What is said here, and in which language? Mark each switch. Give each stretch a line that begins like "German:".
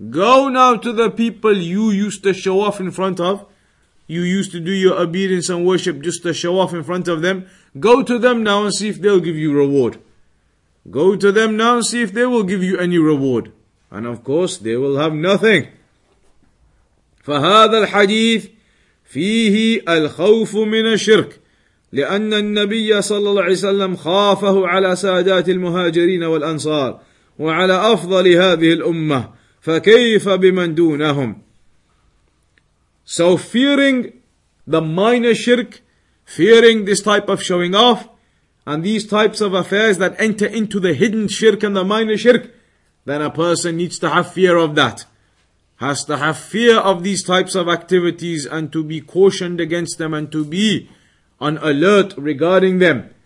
English: Go now to the people you used to show off in front of. You used to do your obedience and worship just to show off in front of them. Go to them now and see if they'll give you reward. Go to them now and see if they will give you any reward. And of course, they will have nothing.
Arabic: فَهَذَا الْحَدِيثِ فيه الخوف من الشرك لأن النبي صلى الله عليه وسلم خافه على سادات المهاجرين والأنصار وعلى أفضل هذه الأمة فكيف بمن دونهم.
English: So fearing the minor shirk, fearing this type of showing off and these types of affairs that enter into the hidden shirk and the minor shirk, then a person needs to have fear of that. Has to have fear of these types of activities and to be cautioned against them and to be on alert regarding them.